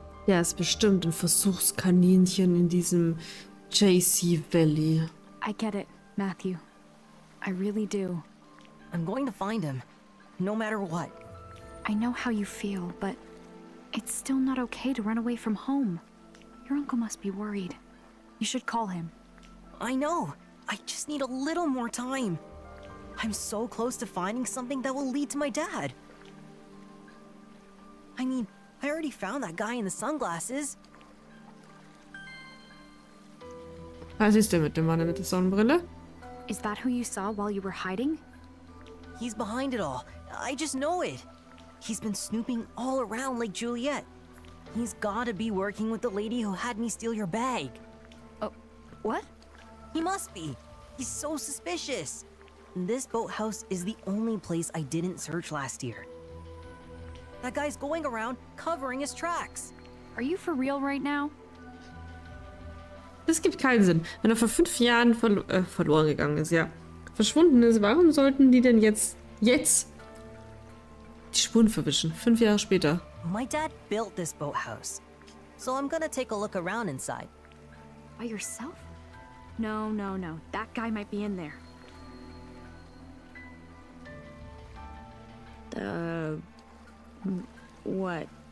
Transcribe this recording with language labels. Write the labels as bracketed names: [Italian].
[German] Der ist bestimmt ein Versuchskaninchen in diesem JC Valley. [English] I get it, Matthew. I really do. I'm going to find him, no matter what. I know how you feel, but it's still not okay to run away from home. Your uncle must be worried. You should call him. I know. I just need a little more time. I'm so close to finding something that will lead to my dad. I mean, I already found that guy in the sunglasses. [German] Was ist denn mit dem Mann mit der Sonnenbrille? [English] Is that who you saw while you were hiding? He's behind it all. I just know it. He's been snooping all around like Juliet. He's gotta be working with the lady who had me steal your bag. What? He must be. He's so suspicious. This boathouse is the only place I didn't search last year. That guy's going around covering his tracks. Are you for real right now? [German] Das gibt keinen Sinn. Wenn er vor 5 Jahren verloren gegangen ist, ja. Verschwunden ist, warum sollten die denn jetzt die Spuren verwischen? 5 Jahre später. [English] My dad built this boathouse. So I'm gonna take a look around inside. By yourself? No, no, no. That guy might be in there. What?